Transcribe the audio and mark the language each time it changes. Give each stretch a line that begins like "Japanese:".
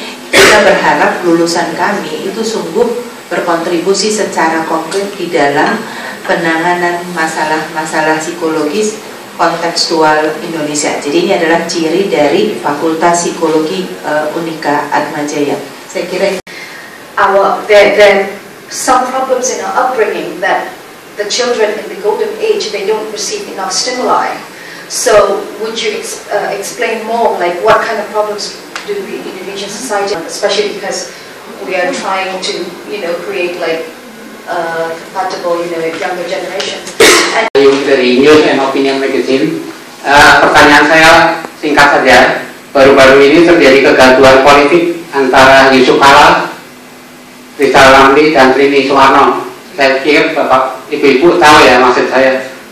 Indonesian: kita berharap lulusan kami itu sungguh berkontribusi secara konkret di dalam penanganan masalah-masalah psikologis kontekstual Indonesia. Jadi ini adalah ciri dari Fakultas Psikologi Unika Atmajaya. Saya kira
English: there some problems in our upbringing that the children in the golden age, they don't receive enough stimuli. So would you explain more, like what kind of problems do the Indonesian society, especially because we are trying to, you know, create like compatible, you know, younger generation.
Indonesian: Yung dari News and Opinion Magazine, pertanyaan saya singkat saja. Baru-baru ini terjadi kegaduhan politik antara Yusuf Kala, Rizal Ramli, dan Trini Soeharto. Saya pikir Bapak Ibu-Ibu tahu ya maksud saya.